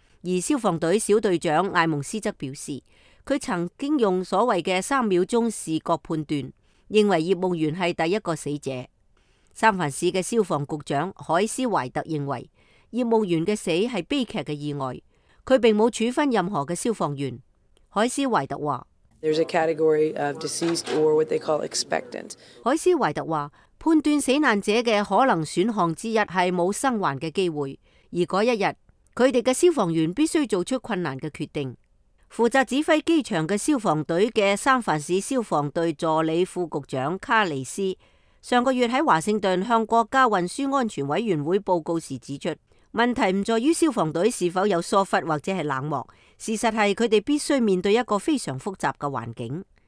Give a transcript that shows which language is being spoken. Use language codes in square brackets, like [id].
[zh] 而消防队小队长艾蒙斯则表示，他曾经用所谓的三秒钟视觉判断，认为叶梦圆是第一个死者。三藩市的消防局长海斯怀特认为，叶梦圆的死是悲剧的意外，他并没有处分任何的消防员。海斯怀特说， [en] There's a category of deceased or what they call expectant. [zh] 海斯怀特说，判断死难者的可能选项之一是没有生还的机会，而那一日他们的消防员必须做出困难的决定。负责指挥机场的消防队的三藩市消防队助理副局长卡尼斯上个月在华盛顿向国家运输安全委员会报告时指出，问题不在于消防队是否有疏忽或者是冷漠，事实是他们必须面对一个非常复杂的环境。